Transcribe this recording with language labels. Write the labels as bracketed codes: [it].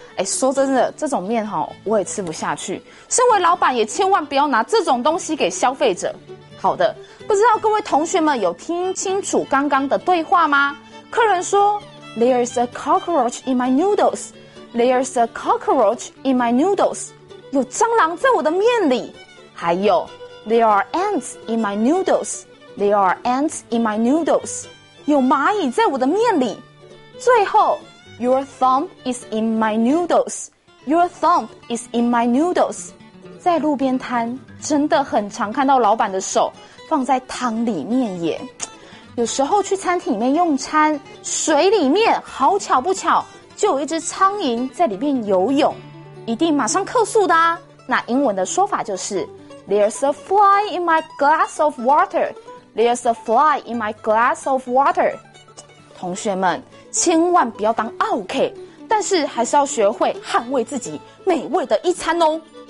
[zh] 说真的，这种面哈，我也吃不下去。身为老板，也千万不要拿这种东西给消费者。好的，不知道各位同学们有听清楚刚刚的对话吗？ [en] 客人说，There's a cockroach in my noodles. There's a cockroach in my noodles. [zh] 有蟑螂在我的面里。 [en] 还有 There are ants in my noodles. There are ants in my noodles. [zh] 有蚂蚁在我的面里。最后 Your thumb is in my noodles. [en] Your thumb is in my noodles. [zh] 在路边摊真的很常看到老板的手放在汤里面耶。有时候去餐厅里面用餐，水里面好巧不巧就有一只苍蝇在里面游泳，一定马上客诉的啊。 [en] 那英文的说法就是 There's a fly in my glass of water. There's a fly in my glass of water. [zh] 同学们千万不要当 OK， 但是还是要学会捍卫自己美味的一餐哦。